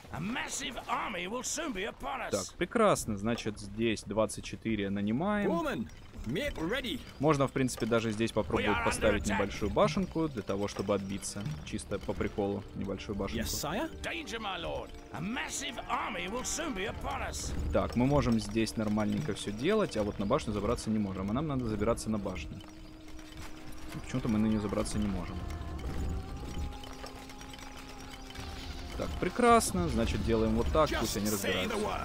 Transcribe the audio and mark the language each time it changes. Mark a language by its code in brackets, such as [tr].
[en] A massive army will soon be upon us. [ru] Так, прекрасно. Значит, здесь 24 нанимаем. [en] Woman, meet ready. [ru] Можно, в принципе, даже здесь попробовать поставить небольшую башенку, для того, чтобы отбиться. Чисто по приколу небольшую башенку. [en] Yes, sire? Danger, my lord. A massive army will soon be upon us. [ru] Так, мы можем здесь нормальненько все делать, а вот на башню забраться не можем. А нам надо забираться на башню. Почему-то мы на нее забраться не можем. Так, прекрасно. Значит, делаем вот так, пусть они разбираются.